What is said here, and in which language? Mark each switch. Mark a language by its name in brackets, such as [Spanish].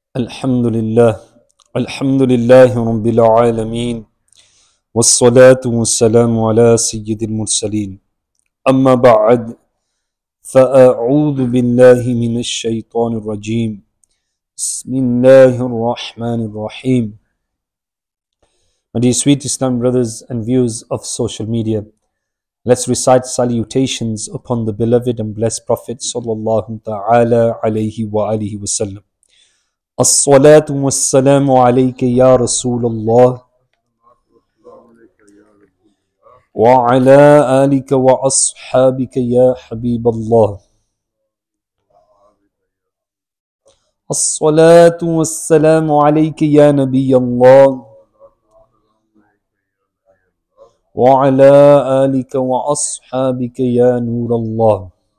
[Arabic] الحمد لله الحمد لله رب العالمين والصلاة والسلام على سيد المرسلين أما بعد فأعوذ بالله من الشيطان الرجيم بسم الله الرحمن الرحيم. [English] My dear sweet Islam brothers and viewers of social media, let's recite salutations upon the beloved and blessed Prophet [Arabic] صلى الله تعالى عليه وآله وسلم. الصلاة والسلام عليك يا رسول الله وعلى آلك وأصحابك يا حبيب الله. الصلاة والسلام عليك يا نبي الله وعلى آلك وأصحابك يا نور الله.